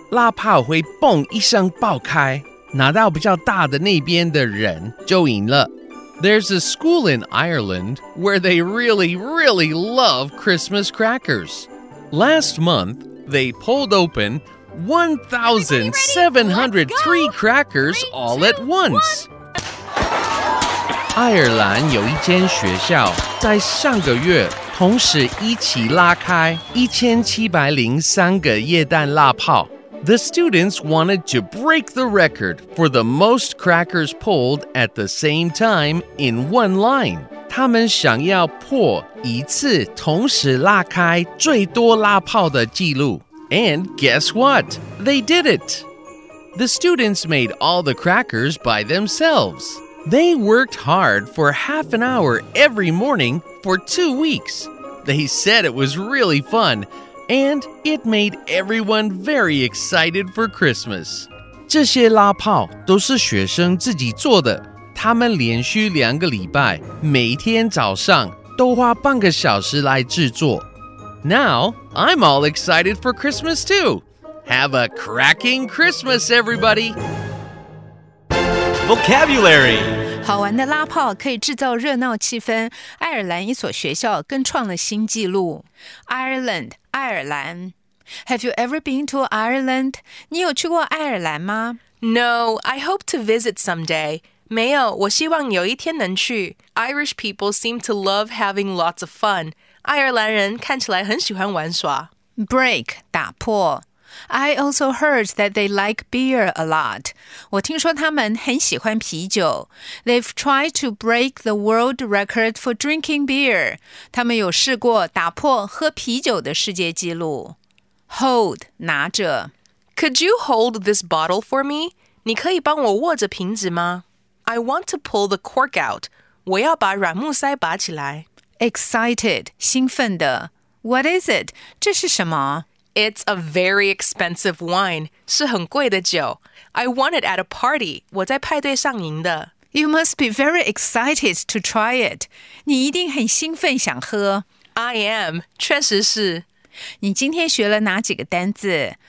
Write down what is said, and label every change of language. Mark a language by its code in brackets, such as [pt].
[zh] 拉炮会蹦一声爆开，拿到比较大的那边的人就赢了。 [en] There's a school in Ireland where they really, really love Christmas crackers. Last month, they pulled open 1,703 crackers all at once. [zh] 爱尔兰有一间学校在上个月同时一起拉开1703个耶诞拉炮。 [en] The students wanted to break the record for the most crackers pulled at the same time in one line. [zh] 他们想要破一次同时拉开最多拉炮的记录。 [en] And guess what? They did it! The students made all the crackers by themselves. They worked hard for half an hour every morning for 2 weeks. They said it was really fun. And it made everyone very excited for Christmas. [zh] 这些拉炮都是学生自己做的。他们连续两个礼拜，每天早上都花半个小时来制作。 [en] Now, I'm all excited for Christmas too. Have a cracking Christmas, everybody! Vocabulary! [zh] 好玩的拉炮可以制造热闹气氛，爱尔兰一所学校更创了新纪录。 [en] Ireland, 爱尔兰。Have you ever been to Ireland? [zh] 你有去过爱尔兰吗？ [en] No, I hope to visit someday. [zh] 没有，我希望有一天能去。 [en] Irish people seem to love having lots of fun. [zh] 爱尔兰人看起来很喜欢玩耍。 [en] Break, 打破。 I also heard that they like beer a lot. [zh] 我听说他们很喜欢啤酒。 [en] They've tried to break the world record for drinking beer. [zh] 他们有试过打破喝啤酒的世界纪录。 [en] Hold, 拿着。 Could you hold this bottle for me? [zh] 你可以帮我握着瓶子吗？ [en] I want to pull the cork out. [zh] 我要把软木塞拔起来。 [en] Excited, 兴奋的。What is it? [zh] 这是什么？ [en] It's a very expensive wine. [zh] 是很贵的酒。 [en] I won it at a party. [zh] 我在派对上赢的。 [en] You must be very excited to try it. [zh] 你一定很兴奋想喝。 [en] I am. [zh] 确实是。你今天学了哪几个单字？